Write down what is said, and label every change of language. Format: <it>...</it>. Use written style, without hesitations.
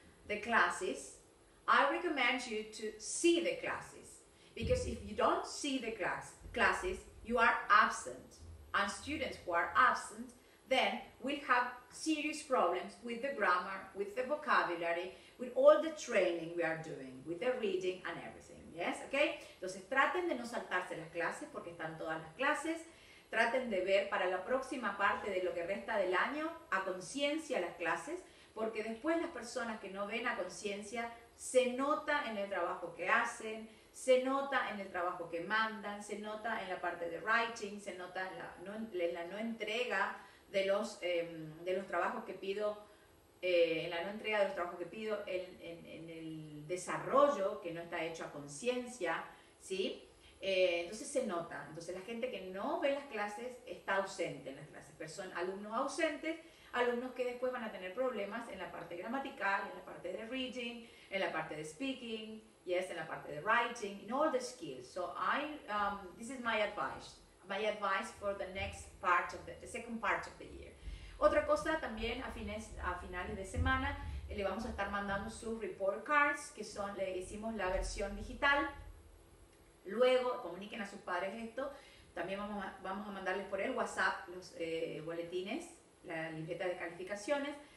<en>the classes, I recommend you to see the classes, because if you don't see the classes, you are absent, and students who are absent then will have serious problems with the grammar, with the vocabulary, with all the training we are doing, with the reading and everything. Yes, okay.</en> <es>Entonces traten de no saltarse las clases porque están todas las clases. Traten de ver para la próxima parte de lo que resta del año a conciencia las clases, porque después las personas que no ven a conciencia se nota en el trabajo que hacen. Se nota en el trabajo que mandan, se nota en la parte de writing, se nota en la no entrega de los trabajos que pido, en la no entrega de los trabajos que pido, en el desarrollo que no está hecho a conciencia, ¿sí? Entonces se nota. Entonces la gente que no ve las clases está ausente en las clases. Son alumnos ausentes, alumnos que después van a tener problemas en la parte gramatical, en la parte de reading, en la parte de speaking.</es> <en>Yes, in</en> <es>la parte de</es> <en>writing, in all the skills. So this is my advice for the next part of the second part of the year.</en> <es>Otra cosa también a finales de semana le vamos a estar mandando sus report cards, que son, le hicimos la versión digital. Luego comuniquen a sus padres esto. También vamos a mandarles por el WhatsApp los boletines, la libreta de calificaciones.</es>